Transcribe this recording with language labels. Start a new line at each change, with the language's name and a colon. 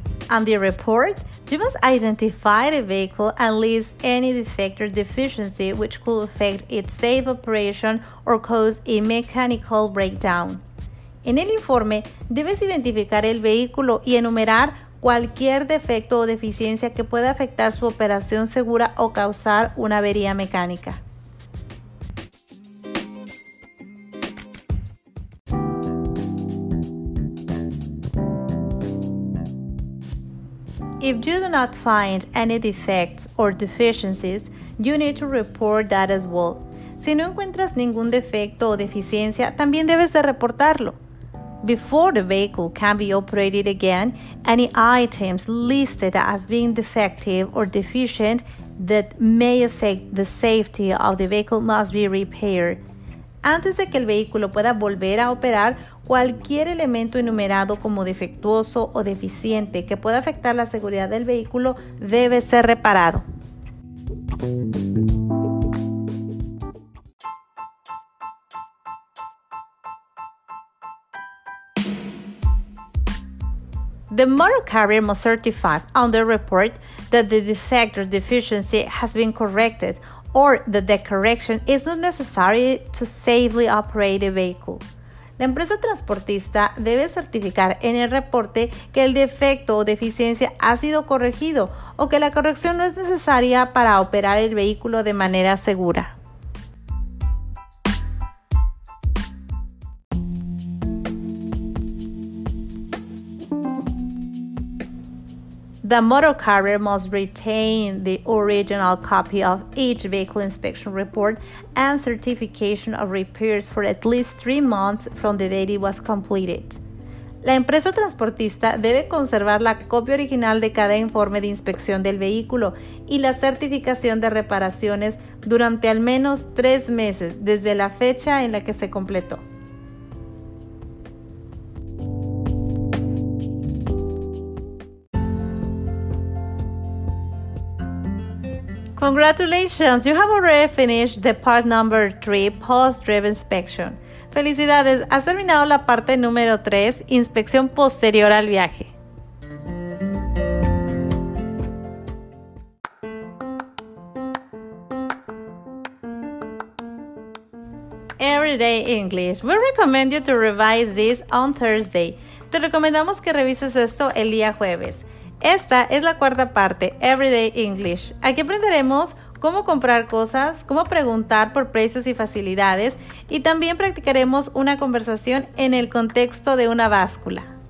English: On the report, you must identify the vehicle and list any defect or deficiency which could affect its safe operation or cause a mechanical breakdown.
Spanish: En el informe, debes identificar el vehículo y enumerar cualquier defecto o deficiencia que pueda afectar su operación segura o causar una avería mecánica.
English: If you do not find any defects or deficiencies, you need to report that as well.
Spanish: Si no encuentras ningún defecto o deficiencia, también debes de reportarlo.
English: Before the vehicle can be operated again, any items listed as being defective or deficient that may affect the safety of the vehicle must be repaired.
Spanish: Antes de que el vehículo pueda volver a operar, cualquier elemento enumerado como defectuoso o deficiente que pueda afectar la seguridad del vehículo debe ser reparado.
English: The motor carrier must certify on the report that the defect or deficiency has been corrected or that the correction is not necessary to safely operate a vehicle.
Spanish: La empresa transportista debe certificar en el reporte que el defecto o deficiencia ha sido corregido o que la corrección no es necesaria para operar el vehículo de manera segura.
English: The motor carrier must retain the original copy of each vehicle inspection report and certification of repairs for at least 3 months from the date it was completed.
Spanish: La empresa transportista debe conservar la copia original de cada informe de inspección del vehículo y la certificación de reparaciones durante al menos 3 meses desde la fecha en la que se completó.
English: Congratulations, you have already finished the part number 3, post-trip inspection.
Spanish: Felicidades, has terminado la parte número 3, inspección posterior al viaje.
English: Air Everyday English. We recommend you to revise this on Thursday.
Spanish: Te recomendamos que revises esto el día jueves. Esta es la cuarta parte, Everyday English. Aquí aprenderemos cómo comprar cosas, cómo preguntar por precios y facilidades, y también practicaremos una conversación en el contexto de una báscula.